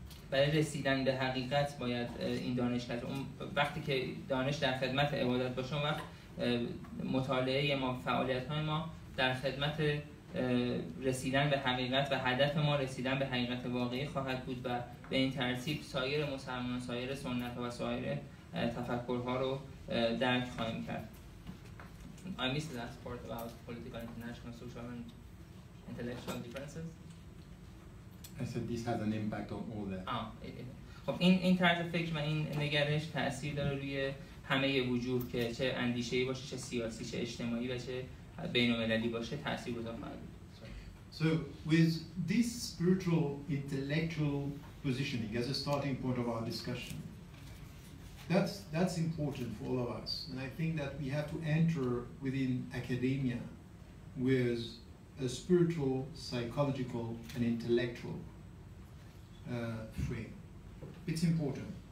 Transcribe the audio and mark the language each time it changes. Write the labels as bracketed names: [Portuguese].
[Persian] برای رسیدن به حقیقت باید این دانش کرد. وقتی که دانش در خدمت عبادت باشه، وقت مطالعه ما، فعالیت‌های ما در خدمت رسیدن به حقیقت و هدف ما رسیدن به حقیقت واقعی خواهد بود و به این ترتیب سایر مسلمان، سایر سنت و سایر تفکرها رو درک خواهیم کرد. [English] I missed the last part about political, international, social, and intellectual differences. I said this has an impact on all that. [Persian] خب این طرز فکر و این نگرش تأثیر داره روی همه وجوه، که چه اندیشه‌ای باشه، چه سیاسی، چه اجتماعی و چه بین‌المللی باشه، تأثیر گذار خواهد بود. [English] So with this spiritual intellectual positioning as a starting point of our discussion, That's important for all of us. And I think that we have to enter within academia with a spiritual, psychological, and intellectual frame. It's important.